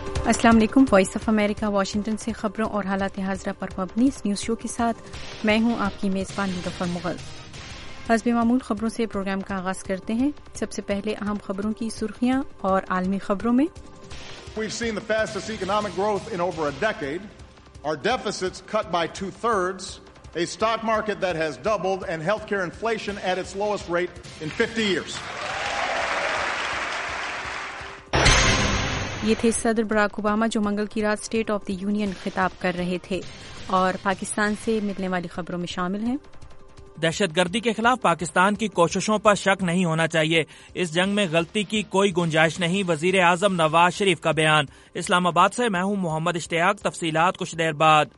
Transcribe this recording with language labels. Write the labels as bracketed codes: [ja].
[ur] السلام علیکم، voice of America Washington سے خبروں اور حالات حاضرہ پر مبنی اس نیوز شو کے ساتھ میں ہوں آپ کی میزبان مظفر مغل۔ حسب معمول خبروں سے پروگرام کا آغاز کرتے ہیں۔ سب سے پہلے اہم خبروں کی سرخیاں اور عالمی خبروں میں [en] We've seen the fastest economic growth in over a decade. Our deficits cut by 2/3, a stock market that has doubled, and healthcare inflation at its lowest rate in 50 years. [ur] یہ تھے صدر براک اوباما جو منگل کی رات state of the union خطاب کر رہے تھے۔ اور پاکستان سے ملنے والی خبروں میں شامل ہیں، دہشت گردی کے خلاف پاکستان کی کوششوں پر شک نہیں ہونا چاہیے، اس جنگ میں غلطی کی کوئی گنجائش نہیں، وزیر اعظم نواز شریف کا بیان۔ اسلام آباد سے میں ہوں محمد اشتیاق، تفصیلات کچھ دیر بعد۔